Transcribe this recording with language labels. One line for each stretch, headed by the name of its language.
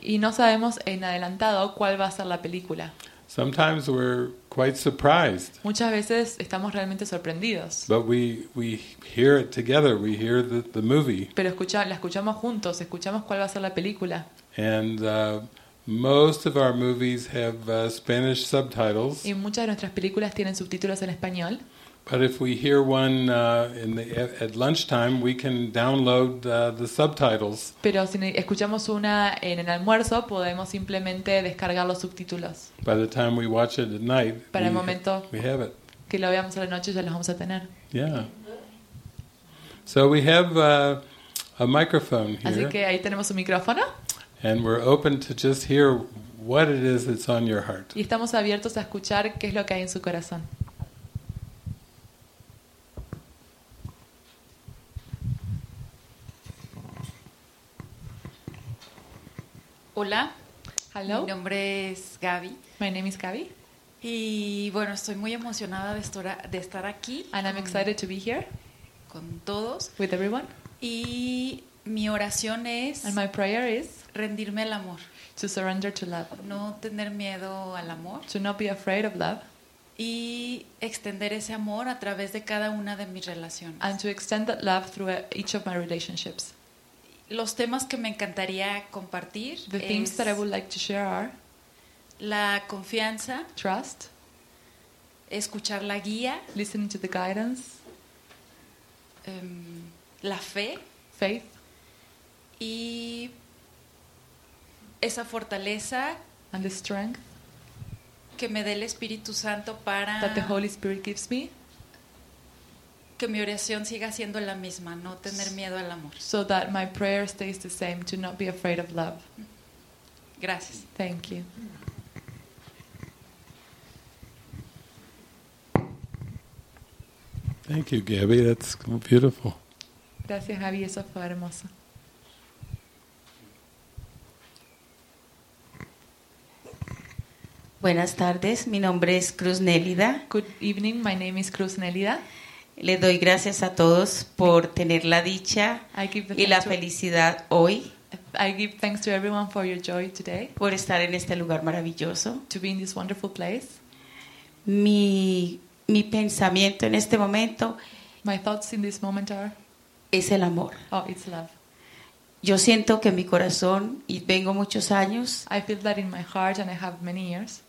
Spanish: Y no sabemos en adelantado cuál va a ser la película.
English: Sometimes we're quite surprised.
Spanish: Muchas veces estamos realmente sorprendidos.
English: But we hear it together. We hear the movie.
Spanish: Pero la escuchamos juntos. Escuchamos cuál va a ser la película.
English: And most of our movies have Spanish subtitles.
Spanish: Y muchas de nuestras películas tienen subtítulos en español.
English: But if we hear one at lunchtime, we can download the subtitles.
Spanish: Pero si escuchamos una en el almuerzo, podemos simplemente descargar los subtítulos.
English: By the time we watch it at night,
Spanish: para el momento
English: we have it.
Spanish: Que lo veamos a la noche, ya los vamos a tener.
English: Yeah. So we have a microphone here.
Spanish: Así que ahí tenemos un micrófono.
English: And we're open to just hear what it is that's on your heart.
Spanish: Y estamos abiertos a escuchar qué es lo que hay en su corazón. Hola.
English: Hello.
Spanish: Mi nombre es Gaby.
English: My name is Gaby.
Spanish: Y bueno, estoy muy emocionada de estar aquí.
English: And I'm excited to be here.
Spanish: Con todos.
English: With everyone.
Spanish: Y mi oración es.
English: And my prayer is.
Spanish: Rendirme al amor.
English: To surrender to love.
Spanish: No tener miedo al amor.
English: To not be afraid of love.
Spanish: Y extender ese amor a través de cada una de mis relaciones.
English: And to extend that love through each of my relationships.
Spanish: Los temas que me encantaría compartir.
English: The themes that I would like to share are
Spanish: la confianza,
English: trust,
Spanish: escuchar la guía,
English: listening to the guidance,
Spanish: la fe,
English: faith,
Spanish: y esa fortaleza,
English: and the strength
Spanish: que me dé el Espíritu Santo para
English: that the Holy Spirit gives me.
Spanish: Que mi oración siga siendo la misma, no tener miedo al amor.
English: So that my prayer stays the same, to not be afraid of love.
Spanish: Gracias.
English: Thank you. Thank you, Gabby. That's beautiful.
Spanish: Gracias, Gabby. Eso fue hermoso. Buenas tardes. Mi nombre es Cruz Nélida.
English: Good evening. My name is Cruz Nélida.
Spanish: Le doy gracias a todos por tener la dicha y la felicidad hoy.
English: I give thanks to everyone for your joy today.
Spanish: Por estar en este lugar maravilloso.
English: To be in this wonderful place.
Spanish: Mi pensamiento en este momento.
English: My thoughts in this moment are.
Spanish: Es el amor.
English: Oh, it's love.
Spanish: Yo siento que mi corazón y tengo muchos años.
English: I feel that in my heart and I have many years.